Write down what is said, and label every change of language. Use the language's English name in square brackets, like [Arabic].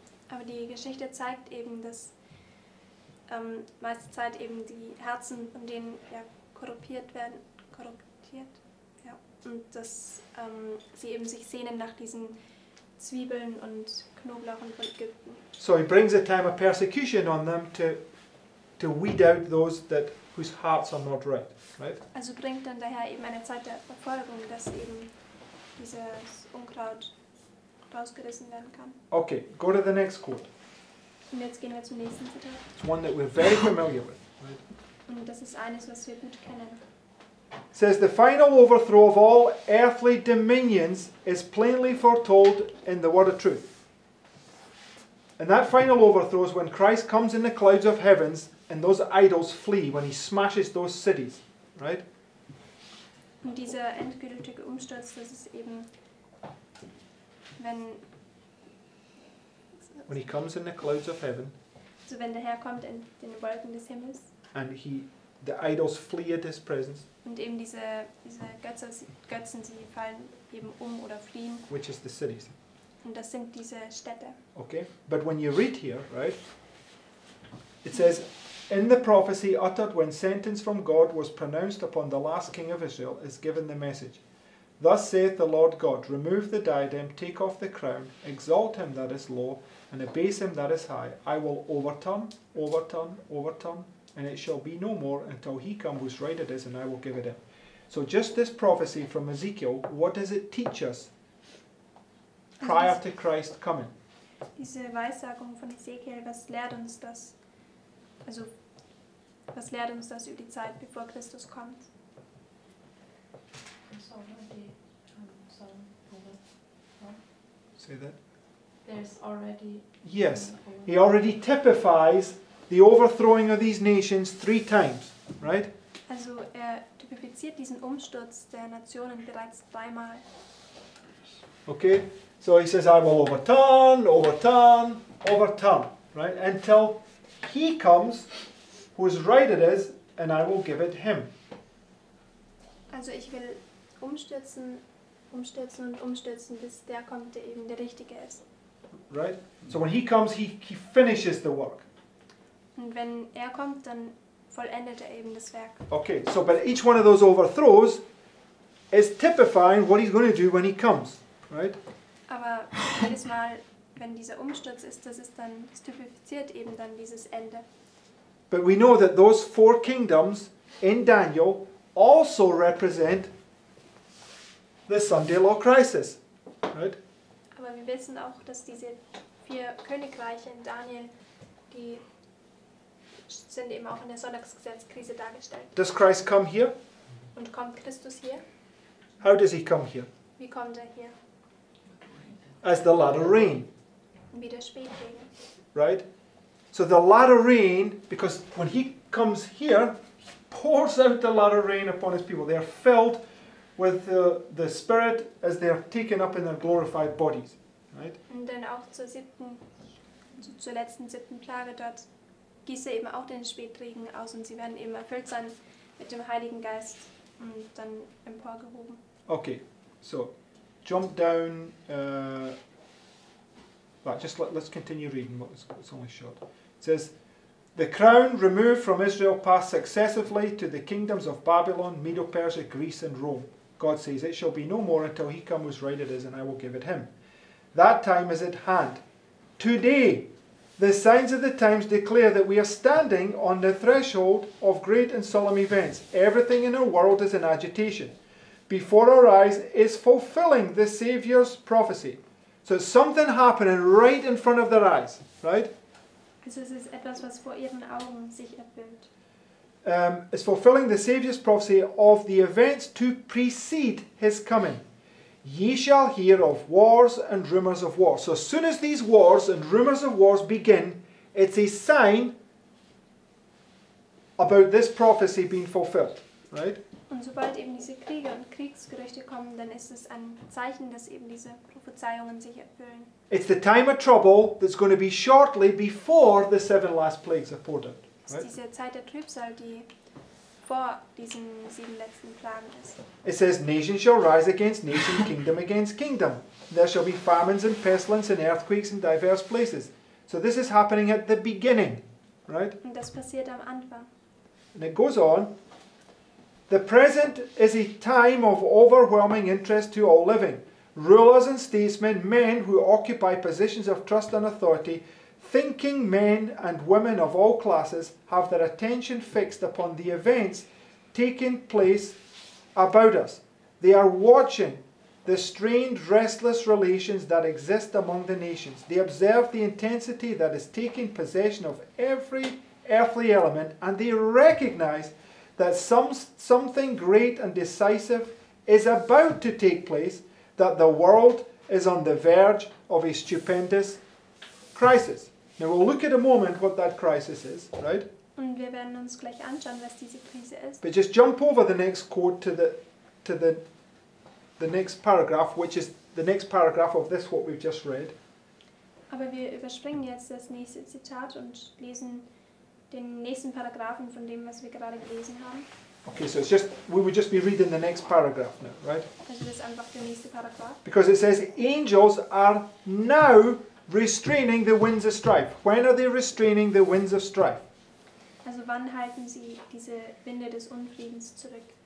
[German] Aber die Geschichte zeigt eben, dass meiste Zeit eben die Herzen von denen ja korruptiert werden, korruptiert, ja, und dass sie eben sich sehnen nach diesen Zwiebeln und Knoblauchen von Ägypten. [English] So he brings a time of persecution on them to weed out those that whose hearts are not right, right? [German] Also bringt dann daher eben eine Zeit der Verfolgung, dass eben dieses Unkraut rausgerissen werden kann. [English] Okay, go to the next quote. [German] Und jetzt gehen wir zum nächsten Zitat. [English] It's one that we're very familiar with, right? [German] Und das ist eines, was wir gut kennen. [English] It says, the final overthrow of all earthly dominions is plainly foretold in the word of truth. And that final overthrow is when Christ comes in the clouds of heavens and those idols flee when he smashes those cities, right? [German] Und dieser endgültige Umsturz, das ist eben, [English] when he comes in the clouds of heaven, [German] so wenn der Herr kommt in den Wolken des Himmels, [English] and the idols flee at his presence, [German] und eben diese Götzen, sie fallen eben oder fliehen, [English] which is the cities. [German] Und das sind diese Städte. [English] Okay, but when you read here, right, it says, in the prophecy uttered when sentence from God was pronounced upon the last king of Israel is given the message. Thus saith the Lord God, remove the diadem, take off the crown, exalt him that is low, and abase him that is high. I will overturn, overturn, overturn, and it shall be no more until he come whose right it is, and I will give it him. So just this prophecy from Ezekiel, what does it teach us? Prior to Christ coming. [German] Diese Weissagung von Ezekiel, was lehrt uns das? Also, was lehrt uns das über die Zeit, bevor Christus kommt? [English] Say that. There's already. Yes, he already typifies the overthrowing of these nations three times, right? [German] Also, er typifiziert diesen Umsturz der Nationen bereits dreimal. [English] Okay. So he says, I will overturn, overturn, overturn, right? Until he comes, whose right it is, and I will give it him. [German] Also ich will umstürzen, umstürzen und umstürzen, bis der kommt, der eben der Richtige ist. [English] Right? So when he comes, he finishes the work. [German] Und wenn er kommt, dann vollendet er eben das Werk. [English] Okay, so but each one of those overthrows is typifying what he's going to do when he comes, right? [German] Aber jedes Mal, wenn dieser Umsturz ist, das ist dann, das typifiziert eben dann dieses Ende. [English] But we know that those four kingdoms in Daniel also represent the Sunday law crisis, right? [German] Aber wir wissen auch, dass diese vier Königreiche in Daniel, die sind eben auch in der Sonntagsgesetzkrise dargestellt. [English] Does Christ come here? [German] Und kommt Christus hier? [English] How does he come here? [German] Wie kommt er hier? [English] As the latter rain. [German] Wie der Spätregen. [English] Right? So the latter rain, because when he comes here, he pours out the latter rain upon his people. They are filled with the Spirit as they are taken up in their glorified bodies. Right? [German] Und dann auch zur siebten, zur letzten siebten Plage, dort gieße eben auch den Spätregen aus und sie werden eben erfüllt sein mit dem Heiligen Geist und dann emporgehoben. [English] Okay, so. Jump down, let's continue reading, it's only short. It says, the crown removed from Israel passed successively to the kingdoms of Babylon, Medo-Persia, Greece and Rome. God says, it shall be no more until he come whose right it is, and I will give it him. That time is at hand. Today, the signs of the times declare that we are standing on the threshold of great and solemn events. Everything in our world is in agitation. Before our eyes is fulfilling the Savior's prophecy. So something happening right in front of their eyes, right? [German] Also es ist etwas, was vor ihren Augen sich erfüllt. [English] It's fulfilling the Savior's prophecy of the events to precede his coming. ye shall hear of wars and rumors of war. So as soon as these wars and rumors of wars begin, it's a sign about this prophecy being fulfilled, right? [German] Und sobald eben diese Kriege und Kriegsgerüchte kommen, dann ist es ein Zeichen, dass eben diese Prophezeiungen sich erfüllen. [English] It's the time of trouble that's going to be shortly before the seven last plagues are poured out. Right? [German] Diese Zeit der Trübsal, die vor diesen sieben letzten Plagen ist. [English] It says, nation shall rise against nation, kingdom against kingdom. There shall be famines and pestilence and earthquakes in diverse places. So this is happening at the beginning, right? [German] Und das passiert am Anfang. [English] And it goes on. The present is a time of overwhelming interest to all living. Rulers and statesmen, men who occupy positions of trust and authority, thinking men and women of all classes have their attention fixed upon the events taking place about us. They are watching the strained, restless relations that exist among the nations. They observe the intensity that is taking possession of every earthly element, and they recognize that something great and decisive is about to take place, that the world is on the verge of a stupendous crisis. Now we'll look at a moment what that crisis is, right? [German] Und wir werden uns gleich anschauen, was diese Krise ist. [English] But just jump over the next quote to the next paragraph, which is the next paragraph of this what we've just read. [German] Aber wir überspringen jetzt das nächste Zitat und lesen den nächsten Paragraphen von dem, was wir gerade gelesen haben. [English] Okay, so it's just, we would just be reading the next paragraph now, right? [German] Also das ist einfach der nächste Paragraph. [English] Because it says, angels are now restraining the winds of strife. When are they restraining the winds of strife? [German] Also wann halten sie diese Winde des Unfriedens zurück?